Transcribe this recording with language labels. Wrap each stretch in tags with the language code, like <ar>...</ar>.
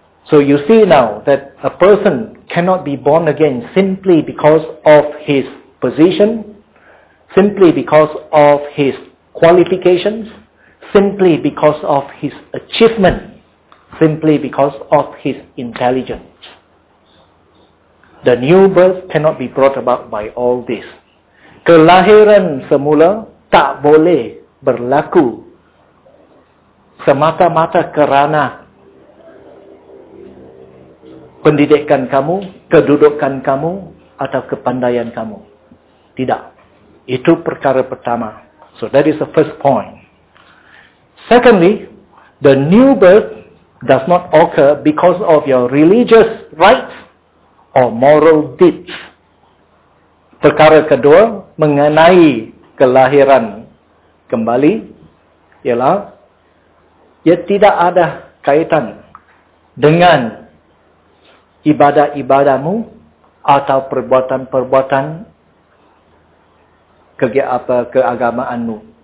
<en>So you see now that a person cannot be born again simply because of his position, simply because of his qualifications, simply because of his achievement, simply because of his intelligence. The new birth cannot be brought about by all this.</en> <ms>Kelahiran semula tak boleh berlaku semata-mata kerana pendidikan kamu, kedudukan kamu, atau kepandaian kamu. Tidak. Itu perkara pertama.</ms> <en>So that is the first point. Secondly, the new birth does not occur because of your religious rites or moral deeds.</en> <ms>Perkara kedua mengenai kelahiran kembali ialah ia tidak ada kaitan dengan ibadah-ibadahmu atau perbuatan-perbuatan keagamaanmu.</ms>